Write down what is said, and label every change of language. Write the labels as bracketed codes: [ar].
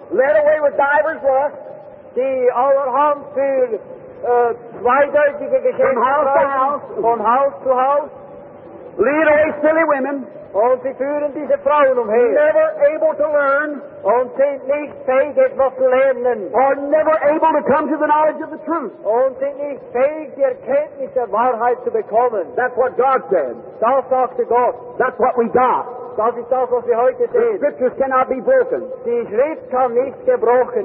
[en] Led away with divers lust. [de] Sie allerhand für zweideutige Geschenke. [en] From house to house. [de] Von Haus zu Haus. [en] Lead away silly women. [de] Und sie führen diese Frauen umher. [en] Never able to learn. [de] Und sind nicht fähig, etwas zu lernen. [en] Or never able to come to the knowledge of the truth. [de] Und sind nicht fähig, die Erkenntnis der Wahrheit zu bekommen. [en] That's what God said. [de] Das sagte Gott. [en] That's what we got. [de] Das ist das, was wir heute sehen. [en] The scriptures cannot be broken. [de] Die Schrift kann nicht gebrochen